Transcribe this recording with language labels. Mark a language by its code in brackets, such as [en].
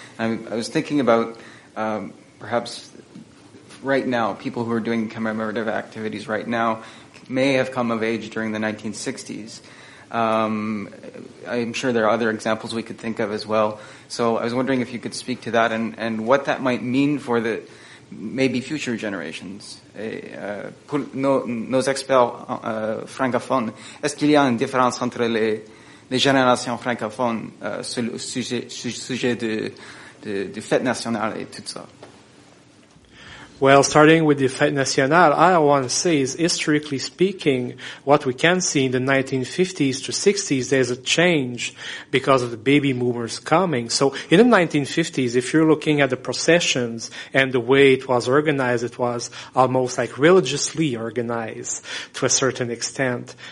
[en] I was thinking about perhaps right now, people who are doing commemorative activities right now may have come of age during the 1960s. I'm sure there are other examples we could think of as well. So I was wondering if you could speak to that and what that might mean for the maybe future generations. [fr] Nos experts francophones, est-ce qu'il y a une différence entre les générations francophones sur le sujet de fête nationale et tout ça? [en] Well, starting with the Fête Nationale, I want to say is, historically speaking, what we can see in the 1950s to 60s, there's a change because of the baby boomers coming. So in the 1950s, if you're looking at the processions and the way it was organized, it was almost like religiously organized to a certain extent.